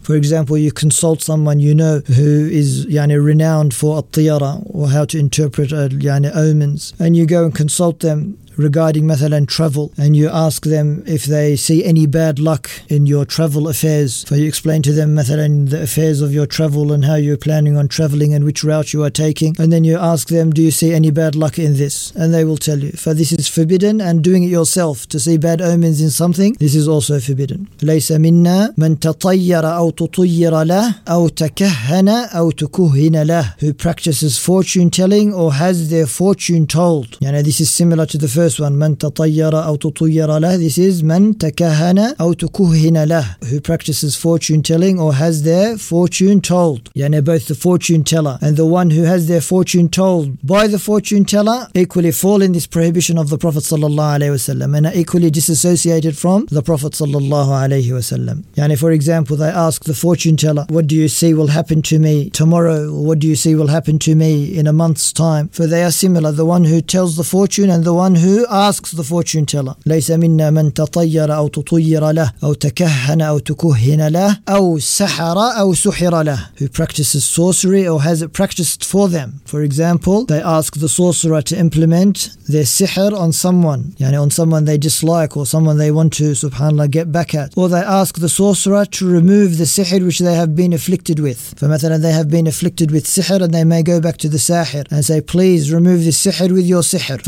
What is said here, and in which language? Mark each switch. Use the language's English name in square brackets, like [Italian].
[English] For example, you consult someone you know who is يعني renowned for الطيرة or how to interpret يعني omens, and you go and consult them regarding مثلا travel, and you ask them if they see any bad luck in your travel affairs. So you explain to them مثلا the affairs of your travel and how you're planning on traveling and which route you are taking, and then you ask them, do you see any bad luck in this? And they will tell you. For this is forbidden, and doing it yourself to see bad omens in something, this is also forbidden. [Arabic] ليس منا من تطير أو تطير له أو تكهن أو تكهن له, [English] who practices fortune telling or has their fortune told. يعني this is similar to the first one, [Arabic] من تطير أو تطير له. [English] This is [Arabic] من تكهن أو تكهن له, [English] who practices fortune telling or has their fortune told. يعني both the fortune teller and the one who has their fortune told by the fortune teller equally fall in this prohibition of the Prophet sallallahu alaihi wasallam, and are equally disassociated from the Prophet sallallahu alaihi wasallam. يعني for example, they ask the fortune teller, what do you see will happen to me tomorrow? What do you see will happen to me in a month's time? For they are similar, the one who tells the fortune and the one who asks the fortune teller. [Arabic] ليس منا من تطير أو تطير له أو تكهن أو تكهن له أو سحر أو سحر له, [English] who practices sorcery or has it practiced for them. For example, they ask the sorcerer to implement their sihr on someone, يعني on someone they dislike or someone they want to subhanAllah get back at, or they ask the sorcerer to remove the sihr which they have been afflicted with. For مثلا they have been afflicted with sihr, and they may go back to the sahir and say, please remove this sihr with your sihr.